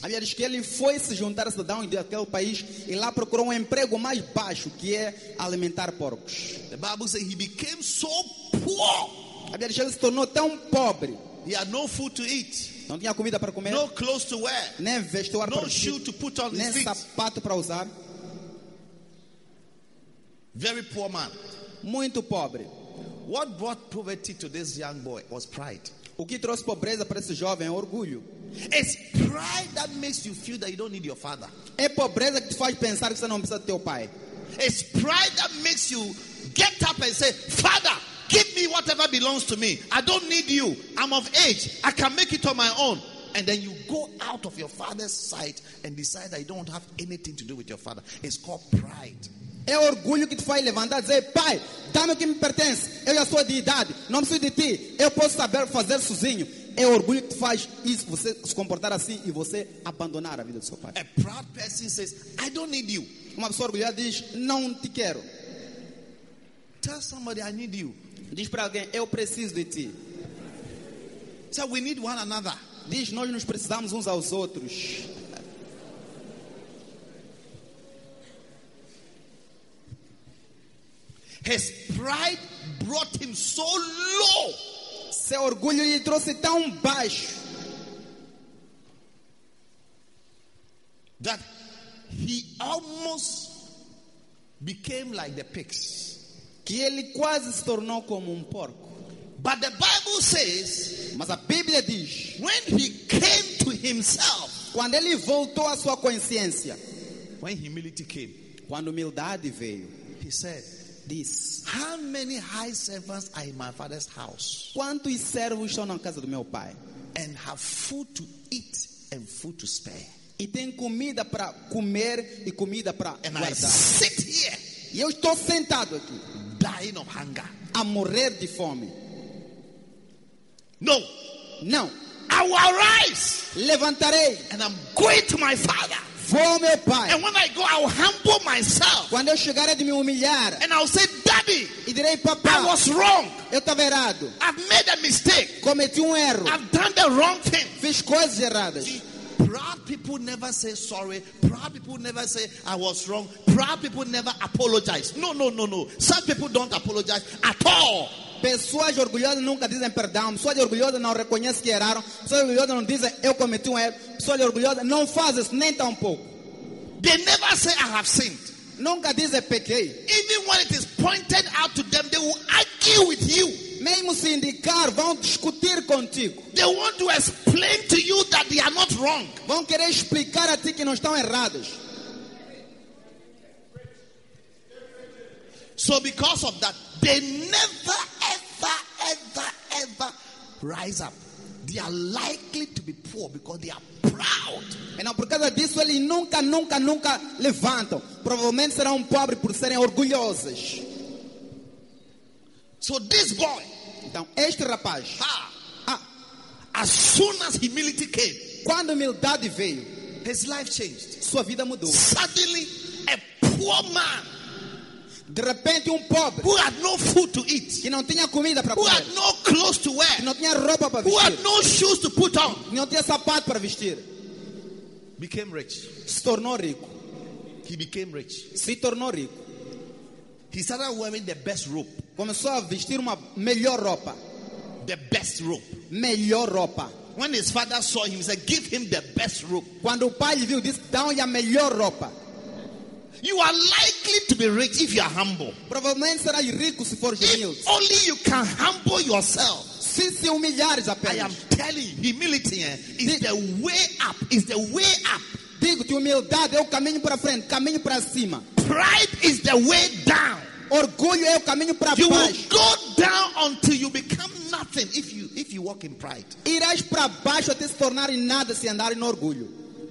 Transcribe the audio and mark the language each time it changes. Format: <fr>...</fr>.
<pt>Havia diz que ele foi se juntar a cidadão daquele país e lá procurou emprego mais baixo, que é alimentar porcos.</pt> <en>The Bible says he became so poor.</en> <pt>Havia diz que ele se tornou tão pobre.</pt> <en>He had no food to eat.</en> <pt>Não tinha comida para comer.</pt> <en>No clothes to wear.</en> <pt>Nem vestuário.</pt> <en>No shoe to put on his feet.</en> <pt>Nem sapato para usar.</pt> <en>Very poor man.</en> <pt>Muito pobre.</pt> <en>What brought poverty to this young boy was pride.</en> <pt>O que trouxe pobreza para esse jovem é orgulho.</pt> <en>It's pride that makes you feel that you don't need your father.</en> <pt>É pobreza que te faz pensar que você não precisa do teu pai.</pt> <en>It's pride that makes you get up and say, "Father, give me whatever belongs to me. I don't need you. I'm of age. I can make it on my own." And then you go out of your father's sight and decide that you don't have anything to do with your father. It's called pride.</en> <pt>É orgulho que te faz levantar e dizer, pai, dá-me o que me pertence. Eu já sou de idade, não preciso de ti. Eu posso saber fazer sozinho. É orgulho que te faz isso, você se comportar assim e você abandonar a vida do seu pai.</pt> <en>A proud person says, "I don't need you."</en> <pt>Uma pessoa orgulhosa diz, não te quero.</pt> <en>Tell somebody, "I need you."</en> <pt>Diz para alguém, eu preciso de ti.</pt> <en>So we need one another.</en> <pt>Diz, nós nos precisamos uns aos outros.</pt> <en>His pride brought him so low.</en> <pt>Seu orgulho lhe trouxe tão baixo.</pt> <en>That he almost became like the pigs.</en> <pt>Que ele quase se tornou como porco.</pt> <en>But the Bible says,</en> <pt>mas a Bíblia diz,</pt> <en>when he came to himself,</en> <pt>quando ele voltou à sua consciência,</pt> <en>when humility came,</en> <pt>quando humildade veio,</pt> <en>he said, this. How many high servants are in my father's house?</en> <pt>Quantos servos estão na casa do meu pai?</pt> <en>And have food to eat and food to spare.</en> <pt>E tem comida para comer e comida para guardar.</pt> <en>I sit here.</en> <pt>E eu estou sentado aqui.</pt> <en>Dying of hunger.</en> <pt>A morrer de fome.</pt> <en>No.</en> <pt>Não.</pt> <en>I will rise.</en> <pt>Levantarei.</pt> <en>And I'm going to my father.</en> <pt>Vou ao meu pai.</pt> <en>And when I go, I'll humble myself.</en> <pt>Quando eu chegar, é de me humilhar.</pt> <en>And I'll say, "Daddy,</en> <pt>e direi, papá,</pt> <en>I was wrong.</en> <pt>Eu estava errado.</pt> <en>I've made a mistake.</en> <pt>Cometi erro.</pt> <en>I've done the wrong thing."</en> <pt>Fiz coisas erradas.</pt> <en>See, proud people never say sorry. Proud people never say I was wrong. Proud people never apologize. No, no, no, no. Some people don't apologize at all.</en> <pt>Pessoas orgulhosas nunca dizem perdão. Pessoas orgulhosas não reconhecem que erraram. Pessoas orgulhosas não dizem eu cometi erro. Pessoas orgulhosas não fazem isso nem tão pouco.</pt> <en>They never say I have sinned.</en> <pt>Nunca dizem pequei.</pt> <en>Even when it is pointed out to them, they will argue with you.</en> <pt>Mesmo se indicar, vão discutir contigo.</pt> <en>They want to explain to you that they are not wrong.</en> <pt>Vão querer explicar a ti que não estão errados.</pt> <en>So because of that, they never, ever, ever, ever rise up. They are likely to be poor because they are proud.</en> <pt>E não, por causa disso, eles nunca, nunca, nunca levantam. Provavelmente serão pobres por serem orgulhosos.</pt> <en>So this boy,</en> <pt>então, este rapaz,</pt> <en>as soon as humility came,</en> <pt>quando humildade veio,</pt> <en>his life changed.</en> <pt>Sua vida mudou.</pt> <en>Suddenly, a poor man,</en> <pt>De repente pobre</pt> <en>who had no food to eat,</en> <pt>que não tinha comida para</pt> <en>who</en> <pt>comer,</pt> <en>had no clothes to wear,</en> <pt>que não tinha roupa para</pt> <en>who</en> <pt>vestir,</pt> <en>had no shoes to put on,</en> <pt>não tinha sapato para vestir,</pt> <en>became rich.</en> <pt>Se tornou rico.</pt> <en>He became rich.</en> <pt>Se tornou rico.</pt> <en>He started wearing the best robe.</en> <pt>Começou a vestir uma melhor roupa.</pt> <en>The best robe.</en> <pt>Melhor roupa.</pt> <en>When his father saw him, he said, "Give him the best robe."</en> <pt>Quando o pai viu, disse, "Dá-lhe a melhor roupa."</pt> <en>You are likely to be rich if you are humble.</en> <pt>Provavelmente será rico se for humilde.</pt> <en>If only you can humble yourself.</en> <pt>Se se humilhares apenas.</pt> <en>I am telling you, humility is the way up. Is the way up.</en> <pt>Digo-te, humildade é o caminho para frente, caminho para cima.</pt> <en>Pride is the way down.</en> <pt>Orgulho é o caminho para baixo.</pt> <en>You will go down until you become nothing if you walk in pride.</en> <pt>Irás para baixo até se tornar em nada se andar em orgulho.</pt>